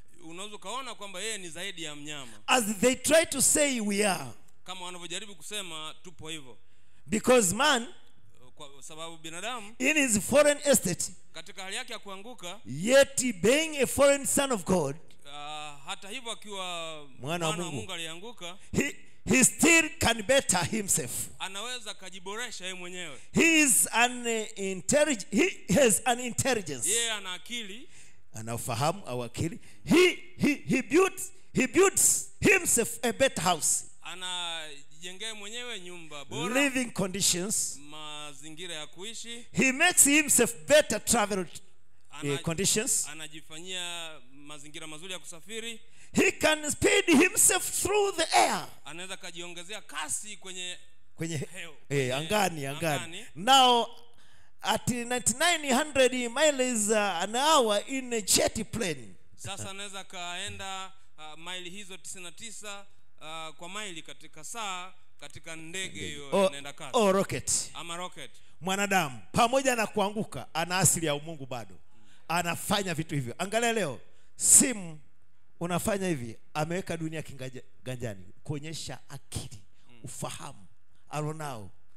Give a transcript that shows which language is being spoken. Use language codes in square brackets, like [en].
[sw] Unaweza kuona kwamba yeye ni zaidi ya mnyama. [en] As they try to say we are, [sw] kama wanavyojaribu kusema tupo hivyo, [en] because man, [sw] kwa sababu binadamu, [en] in his foreign estate, [sw] katika hali yake ya kuanguka, [en] yet being a foreign son of God, [sw] hata hivyo akiwa mwana wa Mungu alianguka, [en] he still can better himself. [sw] Anaweza kujiboresha yeye mwenyewe. [en] He is an intelligent, he has an intelligence. [sw] Yeye ana akili, anafahamu au akili. [en] He builds himself a better house. [sw] Anajengea mwenyewe nyumba bora. [en] Living conditions, [sw] mazingira ya kuishi. [en] He makes himself better travel conditions. [sw] Anajifanyia mazingira mazuri ya kusafiri. [en] He can speed himself through the air. [sw] Anaweza kujiongezea kasi kwenye hewa. Angani. [en] Now at 9900 miles an hour in a jet plane. [sw] Sasa anaweza kaenda mile hizo 99 kwa mile katika saa katika ndege hiyo inaenda kasi. [en] Oh, rocket. [sw] Ama rocket. Mwanadamu pamoja na kuanguka ana asili ya Mungu bado. Anafanya vitu hivyo. Angalia leo simu unafanya hivi, ameweka dunia kinganjani kuonyesha akili, ufahamu. [en] I don't know.